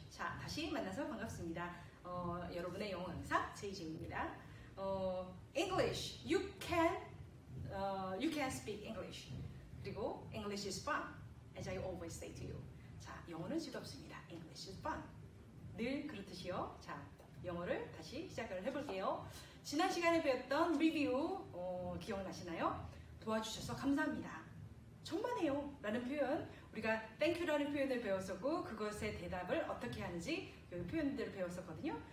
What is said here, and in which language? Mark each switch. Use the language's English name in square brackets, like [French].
[Korean] 자, 다시 만나서 반갑습니다. 여러분의 영어 강사 JJ입니다. [English] English. You can speak English. 그리고 English is fun, as I always say to you. [Korean] 자, 영어는 즐겁습니다. [English] English is fun. [Korean] 늘 그렇듯이요. 자, 영어를 다시 시작을 해볼게요. 지난 시간에 배웠던 리뷰 기억나시나요? 도와주셔서 감사합니다. 천만에요 라는 표현, 우리가 땡큐라는 표현을 배웠었고 그것의 대답을 어떻게 하는지 그 표현들을 배웠었거든요.